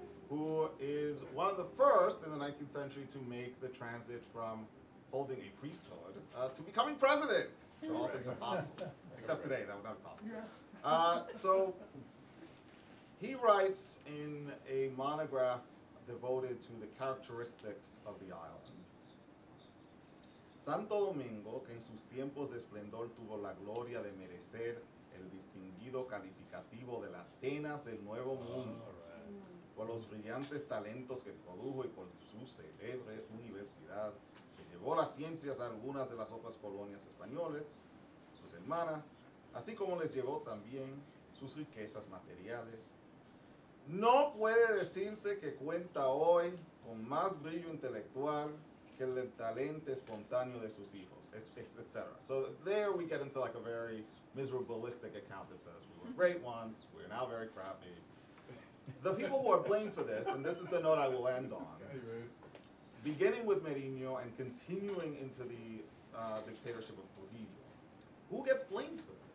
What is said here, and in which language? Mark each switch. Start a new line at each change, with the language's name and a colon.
English: Who is one of the first in the 19th century to make the transit from holding a priesthood to becoming president. So all things are possible. Except today, that would not be possible. Yeah. So, He writes in a monograph devoted to the characteristics of the island.
Spanish: Santo Domingo, que en sus tiempos de esplendor tuvo la gloria de merecer el distinguido calificativo de la Atenas del Nuevo Mundo, por los brillantes talentos que produjo y por su célebre universidad, que llevó las ciencias a algunas de las otras colonias españolas, sus hermanas, así como les llevó también sus riquezas materiales. No puede decirse que cuenta hoy con más brillo intelectual que el talento espontáneo de sus hijos, etc.
English: So there we get into like a very miserabilistic account that says we were great once, we're now very crappy. The people who are blamed for this, and this is the note I will end on, beginning with Merino and continuing into the dictatorship of Trujillo, who gets blamed for this?